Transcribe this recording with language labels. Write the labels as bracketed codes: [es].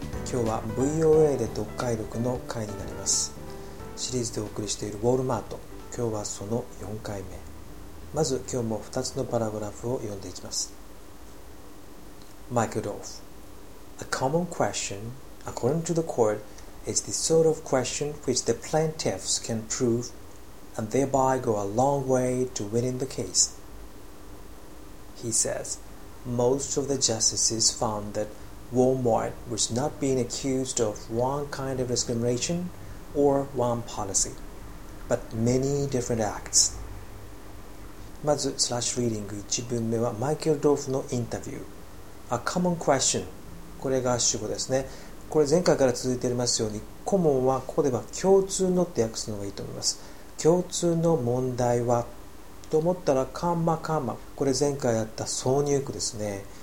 [ja] 今日は VOA で読解力の回になります。シリーズでお送りしているウォールマート、今日はその4回目。まず今日も2つのパラグラフを読んでいきます。 [en] Michael Dorf: A common question, according to the court, is the sort of question which the plaintiffs can prove and thereby go a long way to winning the case. He says,Most of the justices found that Walmart was not being accused of one kind of discrimination or one policy, but many different acts. [ja] まず、スラッシュリーディング1文目はマイケル・ドーフのインタビュー。 [en] A common question。 [ja] これが主語ですね。これ前回から続いておりますように、コモンはここでは共通のって訳すのがいいと思います。共通の問題はと思ったらカンマカンマ、これ前回やった挿入句ですね。